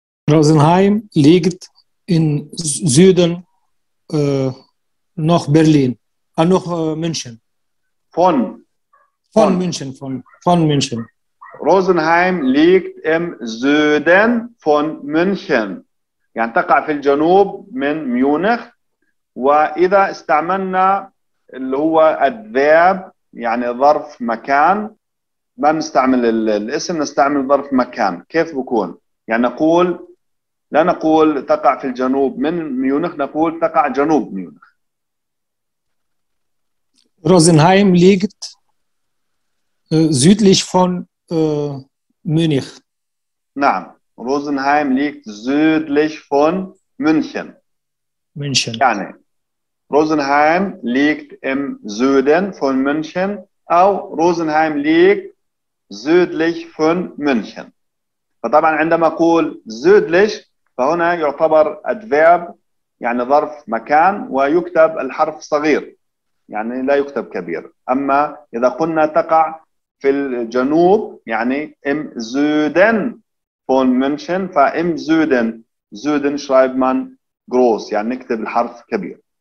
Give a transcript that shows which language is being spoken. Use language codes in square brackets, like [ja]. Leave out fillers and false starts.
[de] Rosenheim liegt in Süden nach Berlin, nach München. Von München, von München. Rosenheim liegt im Süden von München. [ar] يعني تقع في الجنوب من ميونخ. وإذا استعملنا اللي هو adverb يعني ظرف مكان، ما نستعمل الاسم، نستعمل ظرف مكان. كيف بكون؟ يعني نقول، لا نقول تقع في الجنوب من ميونخ، نقول تقع جنوب ميونخ. [de] روزنهايم liegt südlich von ميونخ. نعم، روزنهايم liegt südlich von München. München. يعني روزنهايم liegt im Süden von München أو روزنهايم liegt südlich von München. [ar] فطبعا عندما أقول südlich فهنا يعتبر adverb يعني ظرف مكان ويكتب الحرف صغير، يعني لا يكتب كبير. أما إذا قلنا تقع في الجنوب يعني [de] im Süden von München، فإم زودن، زودن شرايب من جروس، [ar] يعني نكتب الحرف كبير.